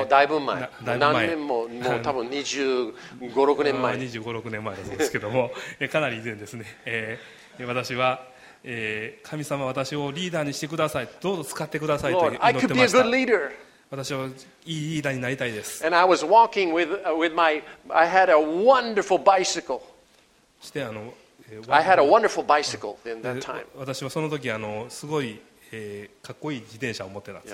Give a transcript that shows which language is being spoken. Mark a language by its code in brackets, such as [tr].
[ja] もうだいぶ前、だいぶ前、何年も、もう多分25、6年前、 25、6年前だそうですけどもかなり以前ですね、私は、神様、私をリーダーにしてください、どうぞ使ってくださいと祈ってました。 [en] Lord, I could be a good leader. [ja] 私はいいリーダーになりたいです。 [en] And I was walking with my, I had a wonderful bicycle. [ja] して、あの、 [en] I had a wonderful bicycle in that time. [ja] 私はその時、あの、すごい、かっこいい自転車を持ってたんです。